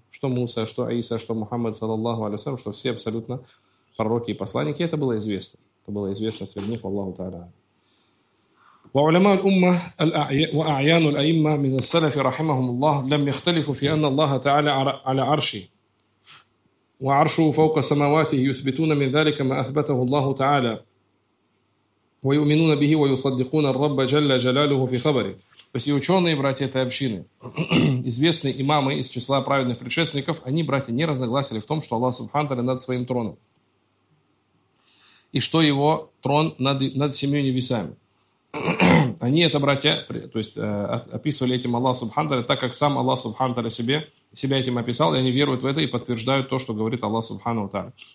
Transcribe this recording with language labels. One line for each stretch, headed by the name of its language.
Russian: Что Муса, что Аиса, что Мухаммад, саллаллаху алейхи ва саллям, что все абсолютно пророки и посланники, это было известно. Это было известно среди них Аллаху Тааля. Ва уляма аль-умма ва а'яну аль-аимма мин ас-салафи рахимахум Аллах лям яхталифу фи анна Аллаха Тааля аля арши.
Arabic: وعرشه فوق سماواته يثبتون من ذلك ما أثبته الله تعالى ويؤمنون به ويصدقون الرب جل جلاله في خبره.
Russian: То есть и ученые, братья, этой общины, известные имамы из числа праведных предшественников, они, братья, не разногласили в том, что Аллах Субхану Тааля над своим троном. И что его трон над семью небесами. Они это, братья, то есть описывали этим Аллах Субхану Тааля, так как сам Аллах Субхану Тааля себя этим описал, и они веруют в это и подтверждают то, что говорит Аллах Субхану Тааля.